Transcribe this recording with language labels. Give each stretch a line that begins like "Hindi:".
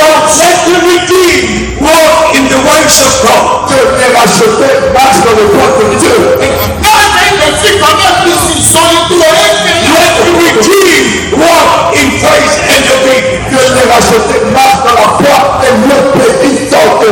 English: Let the redeemed walk in the ways of God.
French: Que les rachetés marchent dans les voies de Dieu.
English: Let the redeemed walk in praise and obedience.
French: Que les rachetés marchent dans la foi et l'obéissance.